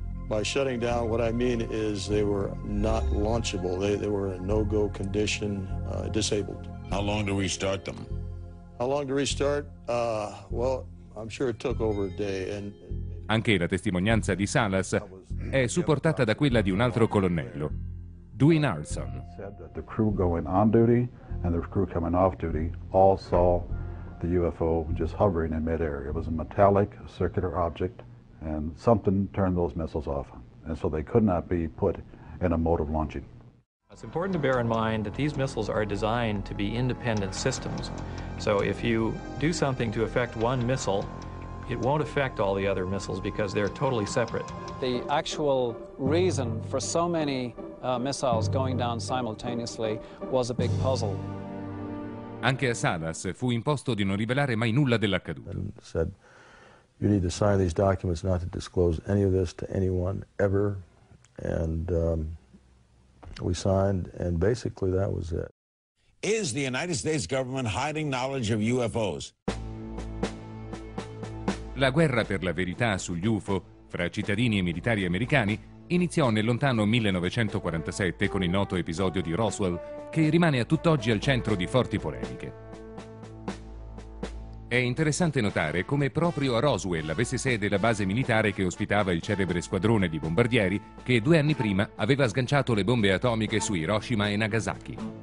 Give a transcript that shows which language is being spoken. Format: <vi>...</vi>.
<en>By shutting down, what I mean is they were not launchable. They were in no-go condition, disabled. How long do we start them? How long do we start? Well, I'm sure it took over a day. And</en> <it>anche la testimonianza di Salas è supportata da quella di un altro colonnello, Dwayne Arson.</it> <en>Said that the crew going on duty and the crew coming off duty all saw the UFO just hovering in midair. It was a metallic circular object. And something turned those missiles off, and so they could not be put in a mode of launching. It's important to bear in mind that these missiles are designed to be independent systems. So if you do something to affect one missile, it won't affect all the other missiles because they're totally separate. The actual reason for so many missiles going down simultaneously was a big puzzle.</en> <it>Anche a Salas fu imposto di non rivelare mai nulla dell'accaduto.</it> <en>You need to sign these documents not to disclose any of this to anyone ever, and we signed, and basically that was it. Is the United States government hiding knowledge of UFOs?</en> <it>La guerra per la verità sugli UFO fra cittadini e militari americani iniziò nel lontano 1947 con il noto episodio di Roswell, che rimane a tutt'oggi al centro di forti polemiche. È interessante notare come proprio a Roswell avesse sede la base militare che ospitava il celebre squadrone di bombardieri che due anni prima aveva sganciato le bombe atomiche su Hiroshima e Nagasaki.</it>